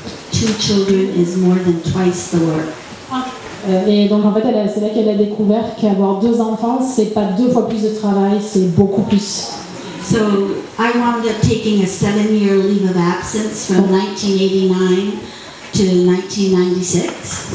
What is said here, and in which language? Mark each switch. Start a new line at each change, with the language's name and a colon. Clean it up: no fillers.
English: Two children is more than twice the work.
French: Et donc en fait, elle a, c'est là qu'elle a découvert qu'avoir deux enfants, c'est pas deux fois plus de travail, c'est beaucoup plus.
English: So I wound up taking a 7-year leave of absence from 1989 to 1996.